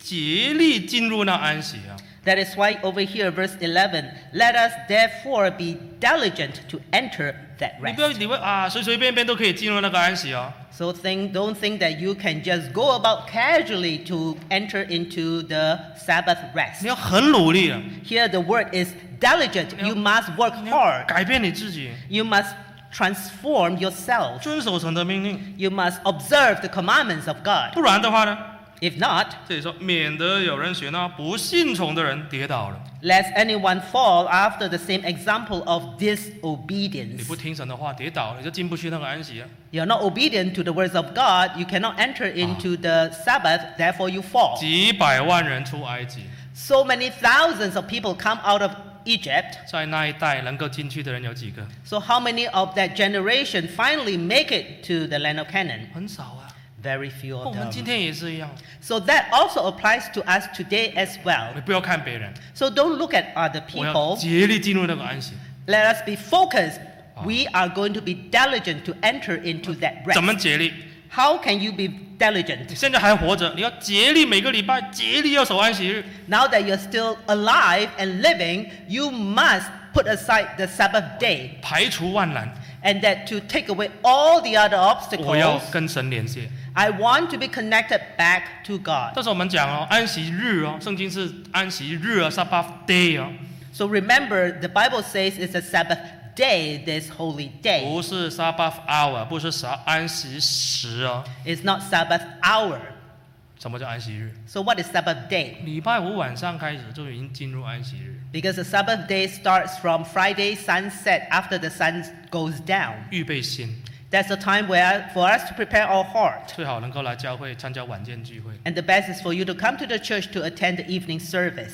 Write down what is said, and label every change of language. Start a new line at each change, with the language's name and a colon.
Chinese: 所以圣经说第十一节，我们务必竭力进入那安息啊。
English: That is why over here, verse 11, let us therefore be diligent to enter that rest.
Chinese: 你不要以为啊，随随便便都可以进入那个安息哦。
English: So don't think that you can just go about casually to enter into the Sabbath rest.
Chinese: 你要很努力啊。
English: Here the word is diligent.
Chinese: 你要,
English: you must work hard.
Chinese: 改变你自己。
English: You must transform yourself.
Chinese: 遵守神的命令。
English: You must observe the commandments of God.
Chinese: 不然的话呢？
English: If not,
Chinese: 这里说, 免得有人学呢, 不信从的人跌倒了,
English: lest anyone fall after the same example of disobedience.
Chinese: 你不听神的话, 跌倒了,
English: you're not obedient to the words of God, you cannot enter into the Sabbath, therefore you fall.
Chinese: 几百万人出埃及,
English: so many thousands of people come out of Egypt.
Chinese: 在那一代能够进去的人有几个?
English: So how many of that generation finally make it to the land of Canaan?
Chinese: 很少啊。
English: Very few of them.
Chinese: 我们今天也是一样。
English: So that also applies to us today as well.
Chinese: 你不要看别人。
English: So don't look at other people.
Chinese: 我要竭力进入那个安息。
English: Let us be focused. We are going to be diligent to enter into that rest.
Chinese: 怎么竭力?
English: How can you be diligent?
Chinese: 你现在还活着, 你要竭力, 每个礼拜, 竭力要守安息日。
English: Now that you're still alive and living, you must put aside the Sabbath day.
Chinese: 排除万难。
English: And that to take away all the other obstacles,
Chinese: 我要跟神连接,
English: I want to be connected back to God.
Chinese: 但是我们讲哦, 安息日哦, 圣经是安息日哦, Sabbath day哦,
English: so remember, the Bible says it's a Sabbath day, this holy day.
Chinese: 不是 Sabbath hour, 不是安息时哦,
English: it's not Sabbath hour.
Chinese: 什么叫安息日?
English: So what is Sabbath day?
Chinese: 礼拜五晚上开始就已经进入安息日。
English: Because the Sabbath day starts from Friday sunset after the sun goes down.
Chinese: 预备心。
English: That's the time where for us to prepare our heart.
Chinese: 最好能够来教会参加晚间聚会。
English: And the best is for you to come to the church to attend the evening service.